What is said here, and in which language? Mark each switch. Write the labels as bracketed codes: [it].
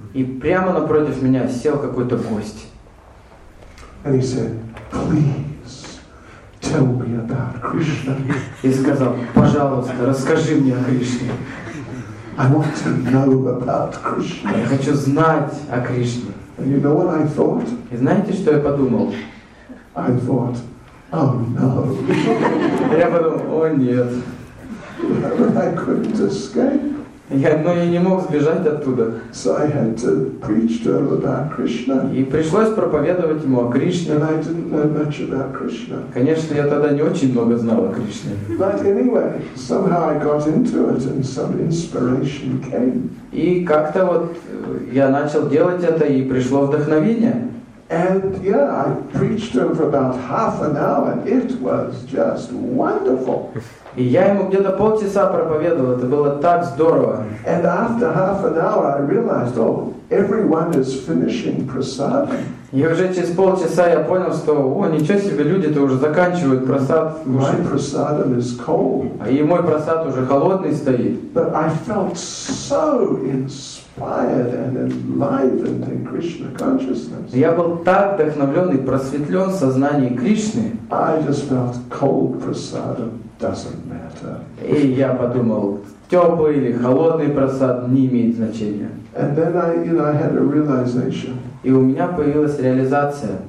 [ru] И прямо напротив меня сел какой-то гость. [en] And he said, "Please tell me about Krishna." [ru] И сказал, пожалуйста, расскажи мне о Кришне. [en] I want to know about Krishna. [ru] Я хочу знать о Кришне. [en] And you know what I thought? [ru] И знаете, что я подумал? [en] I thought, "Oh no." [ru] Я подумал, о нет. [en] But I couldn't escape. [ru] Я не мог сбежать оттуда. [en] So I had to preach to him about Krishna. [ru] И пришлось проповедовать ему о Кришне. [en] And I didn't know much about Krishna. [ru] Конечно, я тогда не очень много знал о Кришне. [en] But anyway, somehow I got into it and some inspiration came. [ru] И как-то вот я начал делать это, и пришло вдохновение. [en] And yeah, I preached to him for about half an hour, and it was just wonderful. [ru] И я ему где-то полчаса проповедовал, это было так здорово. [en] And after half an hour, I realized, oh, everyone is finishing prasad. [ru] И уже через полчаса я понял, что, о, ничего себе, люди-то уже заканчивают просад. [en] My prasad is cold. [ru] И мой просад уже холодный стоит. [en] But I felt so inspired and enlivened in Krishna consciousness. [ru] Я был так вдохновлен и просветлен в сознании Кришны. [en] I just felt cold prasad. Doesn't matter. [ru] И я подумал, теплый или холодный просад не имеет значения. [en] And then I had a realization. [ru] И у меня появилась реализация.